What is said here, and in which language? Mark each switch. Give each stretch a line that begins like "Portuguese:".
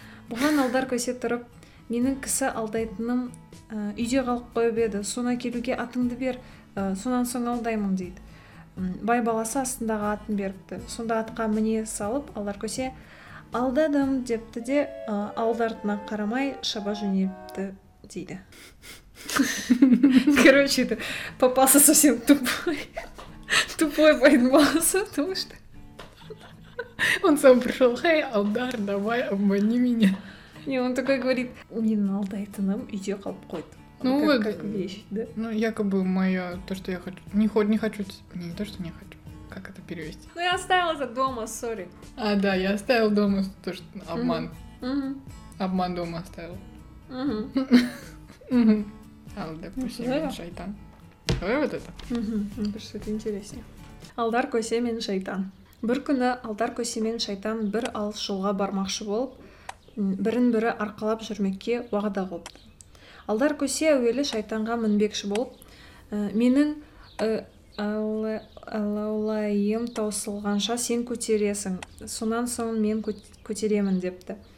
Kazakh: Бұған алдар көсе тұрып, «Менің кісі алдайтыным үйде қалып қойып еді, сона келуге атыңды бер, сонан соң алдаймын» дейді. Бай баласы астындағы атын беріпті. Сонда атқа міне салып, алдар көсе, «Алдадым» депті де, алдартына қарамай шаба жөнепті дейді.
Russian: Короче, это попался совсем тупой. Тупой
Kazakh: байдың баласы,
Russian: потому что... Он сам пришел, «Хей, алдар, давай, обмани меня». Не, он такой говорит,
Kazakh: «Мен алдайтыным үйде қалып қойды».
Russian: Ну, как, как вещь, да? Ну, якобы мое, то, что я хочу... Не хочу, не то, что не хочу. Как это перевести? Ну, я оставила это дома, сори. А, да, я оставил дома, то, что обман. Обман дома оставил. Алда, Косемин, Шайтан. Давай вот это. Мне кажется, это интереснее.
Kazakh: Алдар Косемин, Шайтан. Бір күні Алдар Косемин, Шайтан бір алшылға бармақшы болып, бірін-бірі арқалап жүрмекке уағда қылды. Алдар Косе әуелі Шайтанға мінбекші болып, менің... Алаулайым таусылғанша сен көтересің, сонан соң мен көтеремін депті.